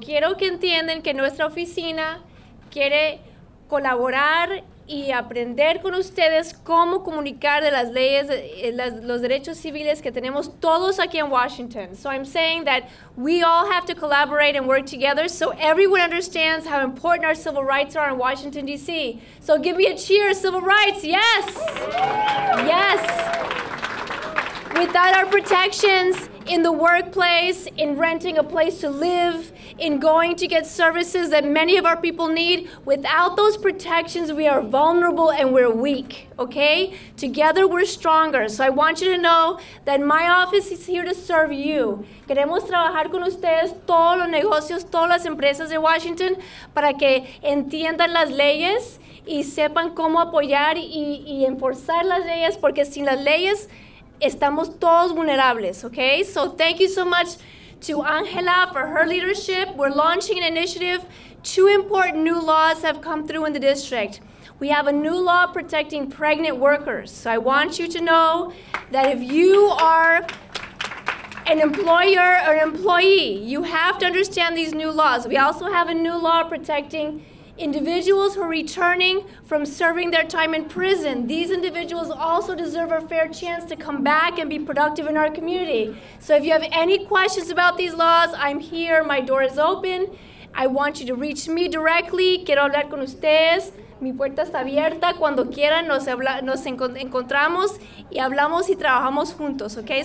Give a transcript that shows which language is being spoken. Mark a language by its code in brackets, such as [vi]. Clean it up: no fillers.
[es] Quiero que entiendan que nuestra oficina quiere colaborar y aprender con ustedes cómo comunicar de las leyes, los derechos civiles que tenemos todos aquí en Washington. [en] So I'm saying that we all have to collaborate and work together so everyone understands how important our civil rights are in Washington, D.C. So give me a cheer, civil rights, yes! Yes! Without our protections in the workplace, in renting a place to live, in going to get services that many of our people need, without those protections, we are vulnerable and we're weak, okay? Together, we're stronger. So I want you to know that my office is here to serve you. [es] Queremos trabajar con ustedes todos los negocios, todas las empresas de Washington, para que entiendan las leyes y sepan cómo apoyar y enforzar las leyes, porque sin las leyes, estamos todos vulnerables, okay? [en] So thank you so much to Angela for her leadership. We're launching an initiative. Two important new laws have come through in the district. We have a new law protecting pregnant workers. So I want you to know that if you are an employer or an employee, you have to understand these new laws. We also have a new law protecting individuals who are returning from serving their time in prison. These individuals also deserve a fair chance to come back and be productive in our community. So if you have any questions about these laws, I'm here, my door is open. I want you to reach me directly. [es] Quiero hablar con ustedes. Mi puerta está abierta. Cuando quieran, nos encontramos y hablamos y trabajamos juntos, okay?